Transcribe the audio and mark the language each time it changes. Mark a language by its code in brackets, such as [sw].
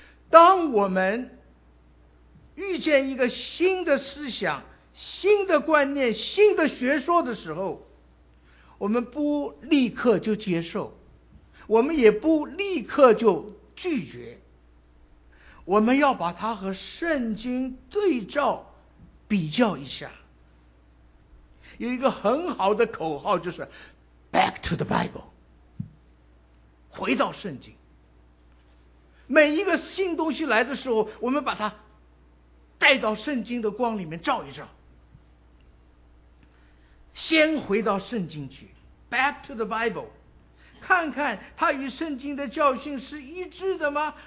[zh] 当我们遇见一个新的思想、新的观念、新的学说的时候，我们不立刻就接受，我们也不立刻就拒绝，我们要把它和圣经对照比较一下。有一个很好的口号，就是 [en] back to the Bible， [zh] 回到圣经。每一个新东西来的时候，我们把它带到圣经的光里面照一照，先回到圣经去， [en] back to the Bible， [zh] 看看它与圣经的教训是一致的吗？